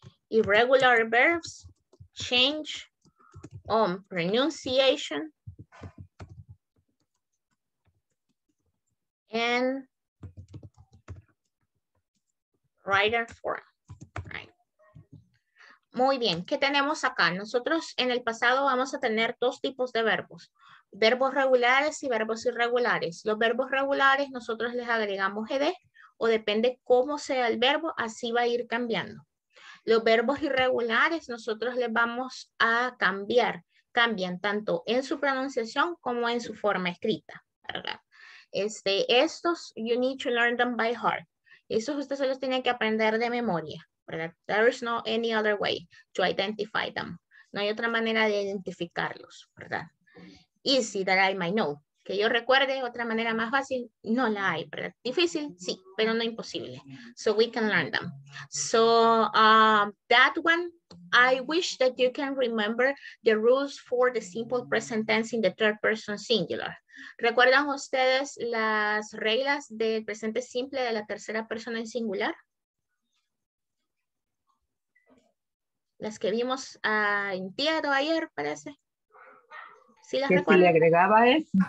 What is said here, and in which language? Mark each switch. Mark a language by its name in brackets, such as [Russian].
[English] Irregular verbs change on pronunciation and writer form. [Spanish] Muy bien, ¿qué tenemos acá? Nosotros en el pasado vamos a tener dos tipos de verbos. Verbos regulares y verbos irregulares. Los verbos regulares nosotros les agregamos ed o depende cómo sea el verbo, así va a ir cambiando. Los verbos irregulares nosotros les vamos a cambiar. Cambian tanto en su pronunciación como en su forma escrita, ¿verdad? Estos, [English] you need to learn them by heart. [Spanish] Esos ustedes se los tienen que aprender de memoria. ¿verdad? [English] There is no any other way to identify them. [Spanish] No hay otra manera de identificarlos, ¿verdad? [English] Easy that I might know. [Spanish] Que yo recuerde, otra manera más fácil, no la hay, ¿verdad? Difícil, sí, pero no imposible. [English] So we can learn them. So that one, I wish that you can remember the rules for the simple present tense in the third person singular. [Spanish] ¿Recuerdan ustedes las reglas del presente simple de la tercera persona en singular? Las que vimos en Tiago ayer, parece. ¿Sí las recuerdan? Se le agregaba S.